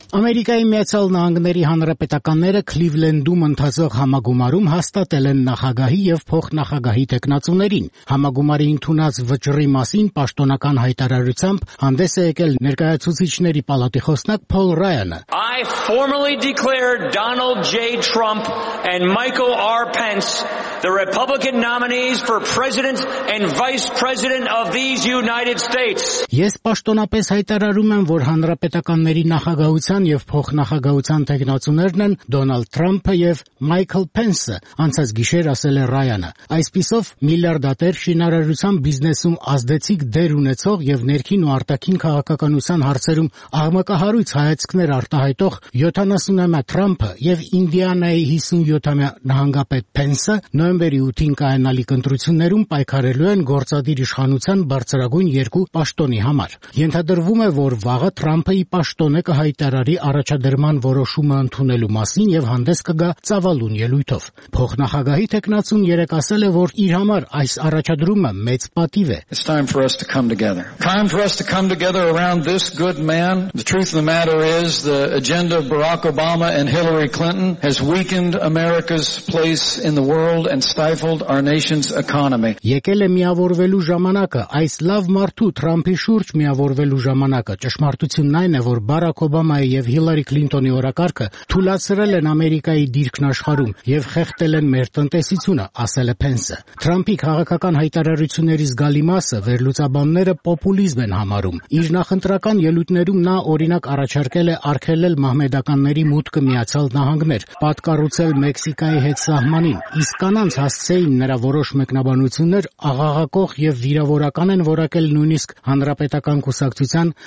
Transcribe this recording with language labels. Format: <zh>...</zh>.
<hy>Ամերիկայի Միացյալ Նահանգների հանրապետականները Քլիվլենդում ընթացող համագումարում հաստատել են նախագահի և փոխնախագահի թեկնածուներին։ Համագումարի ընդունած վճռի մասին պաշտոնական հայտարարությամբ հանդես է եկել ներկայացուցիչների պալատի խոսնակ Փոլ Ռայանը։</hy> <en>I formally declare Donald J. Trump and Michael R. Pence the Republican nominees for President and Vice President of these United States.</en> <hy>Ես պաշտոնապես հայտարարում եմ, որ հանրապետականների նախագահության և փոխնախագահ Գաուցան տեղնացուներն են Դոնալդ Թրամփը եւ Մայքլ Պենսը, անցած գիշեր ասել է Ռայանը։ Այսպիսով միլիարդատեր շինարարության բիզնեսում ազդեցիկ դեր ունեցող եւ ներքին ու արտաքին քաղաքականության հարցերում աղմակահարույց հայացքներ արտահայտող 70-ամյա Թրամփը եւ Ինդիանայի 57-ամյա նահանգապետ Պենսը նոյեմբերի 8-ին կայանալիք ընտրություններում պայքարելու են գործադիր իշխանության բարձրագույն երկու պաշտոնի համար։ Ենթադրվում է, որ վաղը Թրամփը ի պաշտոնը կհայտարարի առաջադրման որոշումը ընդունելու մասին եւ հանդես կգա ծավալուն ելույթով։ Փոխնախագահի թեկնածուն երեք ասել է, որ իր համար այս առաջադրումը մեծ պատիվ է։</hy> <en>It's time for us to come together. Time for us to come together around this good man. The truth of the matter is the agenda of Barack Obama and Hillary Clinton has weakened America's place in the world and stifled our nation's economy.</en> <hy>Եկել է միավորվելու ժամանակը, այս լավ մարդու Թրամփի շուրջ միավորվելու ժամանակը։ Ճշմարտությունն այն է, որ Բարակ Օբամայի եւ Հիլարի Կլինտոնի օրակարգը թույլացրել են Ամերիկայի դիրքն աշխարհում եւ խեղդել են մեր տնտեսությունը, ասել է Պենսը։ Թրամփի քաղաքական հայտարարությունների զգալի մասը վերլուծաբանները պոպուլիզմ են համարում։ Իր նախընտրական ելույթներում նա օրինակ առաջարկել է արգելել մահմեդականների մուտքը Միացյալ Նահանգներ, պատկառուցել Մեքսիկայի հետ սահմանին, իսկ կանանց հասցեին նրա որոշ մեկնաբանություններ աղաղակող եւ վիրավորական են որակել նույնիսկ հանրապետական կուսակցության</hy>